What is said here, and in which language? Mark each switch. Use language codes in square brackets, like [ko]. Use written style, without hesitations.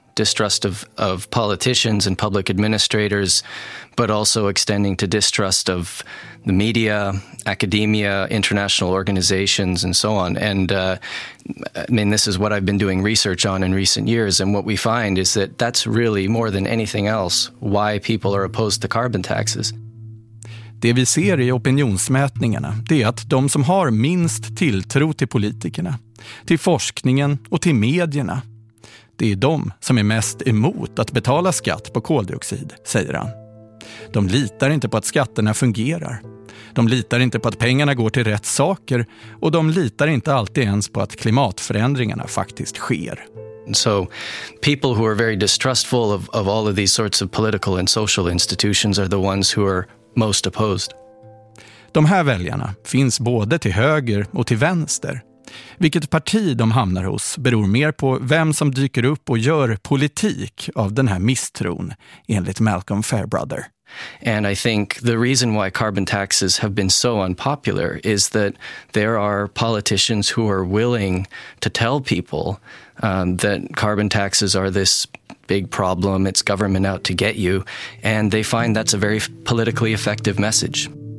[en] Distrust of politicians and public administrators, but also extending to distrust of the media, academia, international organizations, and so on. And I mean, this is what I've been doing research on in recent years. And what we find is that that's really more than anything else why people are opposed to carbon taxes. [sv] Det vi ser i opinionsmätningarna, det är att de som har minst tilltro till politikerna, till forskningen och till medierna. Det är de som är mest emot att betala skatt på koldioxid, säger han. De litar inte på att skatterna fungerar. De litar inte på att pengarna går till rätt saker och de litar inte alltid ens på att klimatförändringarna faktiskt sker. [en] So people who are very distrustful of all of these sorts of political and social institutions are the ones who are most opposed. [sv] De här väljarna finns både till höger och till vänster. Vilket parti de hamnar hos beror mer på vem som dyker upp och gör politik av den här misstron, enligt Malcolm Fairbrother. [en] And I think the reason why carbon taxes have been so unpopular is that there are politicians who are willing to tell people that carbon taxes are this big problem, it's government out to get you, and they find that's a very politically effective message.